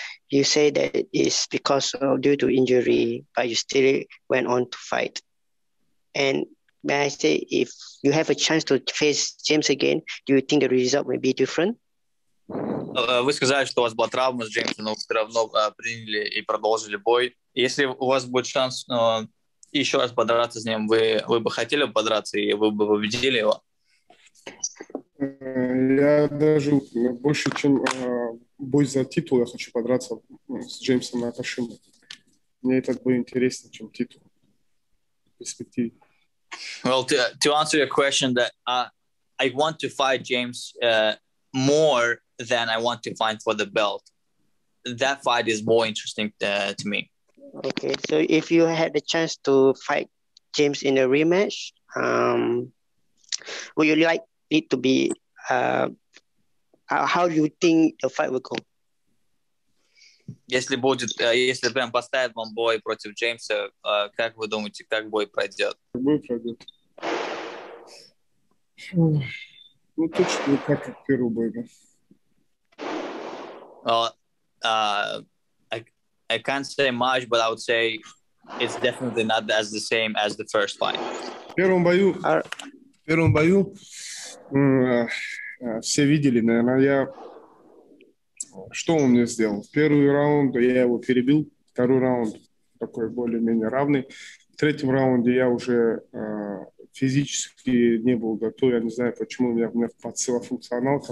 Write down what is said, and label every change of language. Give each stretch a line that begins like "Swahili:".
English: You say that it's because of due to injury, but you still went on to fight. And may I say, if you have a chance to face James again, do you think the result will be different?
Russian: Вы сказали, что у вас была травма с Джеймсом, но все равно приняли и продолжили бой. Если у вас будет шанс еще раз подраться с ним, вы бы хотели подраться и вы бы победили его? Я даже больше, чем бой за титул, я хочу подраться с Джеймсом на Акашиме. Мне это будет интереснее, чем титул. Перспективе.
English: Well, to answer your question, that I want to fight James more than I want to fight for the belt. That fight is more interesting to me. Okay, so if you had the chance to fight James in a rematch, would you like it to be, how do you think the fight will go?
Russian: Если будет, если прям поставят вам бой против Джеймса, как вы думаете, как бой пройдет? Бой пройдет. Ну, точно как первый бой, да?
English: Well, I can't say much, but I would say it's definitely not as the same as the first fight.
Russian: В первом бою, все видели, наверное, я... Что он мне сделал? Первый раунд я его перебил, второй раунд такой более-менее равный. В третьем раунде я уже физически не был готов, я не знаю, почему у меня подсела функционалка.